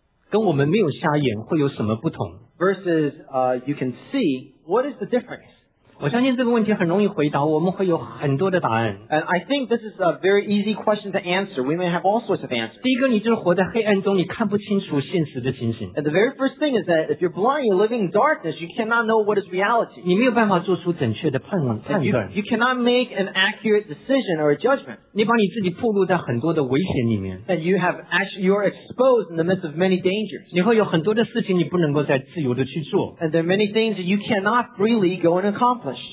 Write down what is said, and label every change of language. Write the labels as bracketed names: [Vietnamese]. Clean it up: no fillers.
[Chinese] 跟我们没有瞎眼会有什么不同？ [English] Versus you can see, what is the difference? [Chinese] 我相信这个问题很容易回答，我们会有很多的答案。 [English] And I think this is a very easy question to answer. We may have all sorts of answers. [Chinese] 第一个，你就是活在黑暗中，你看不清楚现实的情形。 [English] And the very first thing is that if you're blind, you're living in darkness, you cannot know what is reality. [Chinese] 你没有办法做出准确的判断。 [English] You cannot make an accurate decision or a judgment. [Chinese] 你把你自己暴露在很多的危险里面。 [English] And you're exposed in the midst of many dangers. [Chinese] 你会有很多的事情你不能够再自由的去做。 [English] And there are many things that you cannot freely go and accomplish.